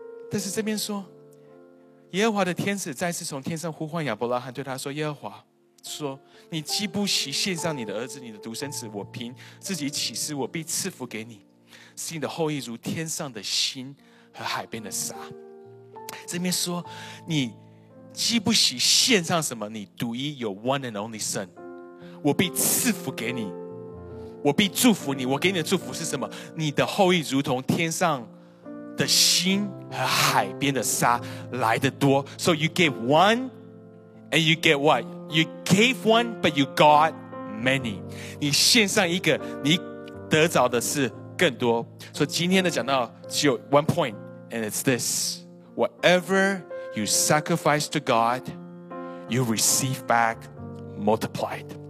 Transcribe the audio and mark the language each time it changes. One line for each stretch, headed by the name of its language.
Chinese: 但是这边说，耶和华的天使再次从天上呼唤亚伯拉罕，对他说，耶和华说，你既不惜献上你的儿子你的独生子，我凭自己启示我必赐福给你，使你的后裔如天上的星和海边的沙。这边说，你既不惜献上什么你独一有
English: one and only son，
Chinese: 我必赐福给你，我必祝福你。我给你的祝福是什么？你的后裔如同天上的星和海边的沙来得多。
English: So you gave one and you get what? You gave one but you got many。
Chinese: 你献上一个，你得着的是更多。所以今天的讲到只有
English: one point and it's this: whatever you sacrifice to God, you receive back multiplied。